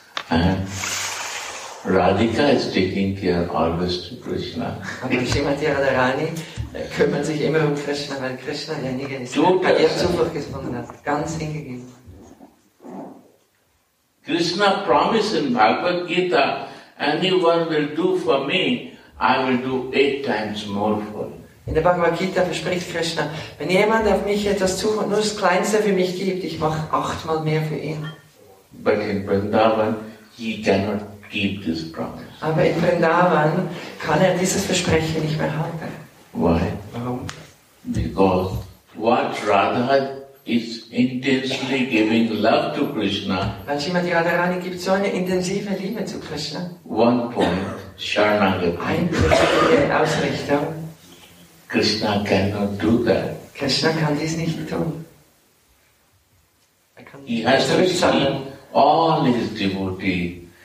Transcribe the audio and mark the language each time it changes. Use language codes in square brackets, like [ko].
[en] And Radhika is taking care always to Krishna. [de] Aber Shrimati Radharani kümmert sich immer um Krishna, weil Krishna derjenige ist, der ihr Zuflucht gefunden hat. Ganz hingegeben. [en] Krishna promised in Bhagavad Gita, anyone will do for me, I will do 8 times more for him. [de] In der Bhagavad Gita verspricht Krishna, wenn jemand auf mich etwas tut, nur das Kleinste für mich gibt, ich mache 8-mal mehr für ihn. [en] But in Vrindavan, he cannot keep this promise. [de] Aber in Vrindavan kann er dieses Versprechen nicht mehr halten. [en] Why? [de] Warum? [en] Because what Radha is intensely giving love to Krishna. [de] Weil Srimati Radharani gibt so eine intensive Liebe zu Krishna. [en] One point, Sharanagati. [de] Einzige Ausrichtung. [en] Krishna cannot do that. [de] Krishna kann dies nicht tun. [en] He has to see all his devotees.